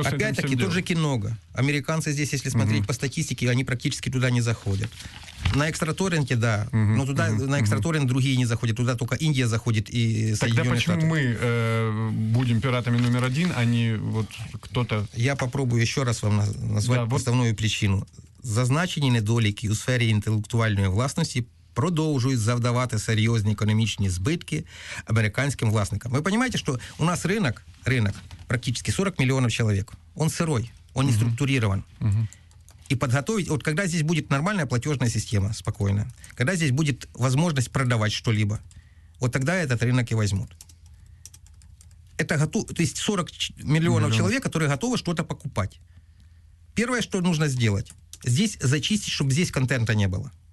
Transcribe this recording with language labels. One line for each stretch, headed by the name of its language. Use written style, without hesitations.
Russian: опять-таки, тот же Киного. Американцы здесь, если смотреть по статистике, они практически туда не заходят. На экстраторинге, да, но туда на экстраторинг другие не заходят, туда только Индия заходит и Соединенные Штаты. Тогда почему Штаты? Мы будем пиратами номер один, а не вот кто-то... Я попробую еще раз вам назвать основную причину.
Ukrainian: Зазначені недоліки у сфері інтелектуальної власності продовжують завдавати серйозні економічні збитки американським власникам. Ви розумієте, що у нас ринок практично 40 мільйонів чоловік, він сирий, він не структурований.
Russian: И подготовить, вот когда здесь будет нормальная платежная система, спокойно, когда здесь будет возможность продавать что-либо, вот тогда этот рынок и возьмут. Это то есть 40 миллионов человек, которые готовы что-то покупать. Первое, что нужно сделать, здесь зачистить, чтобы здесь контента не было.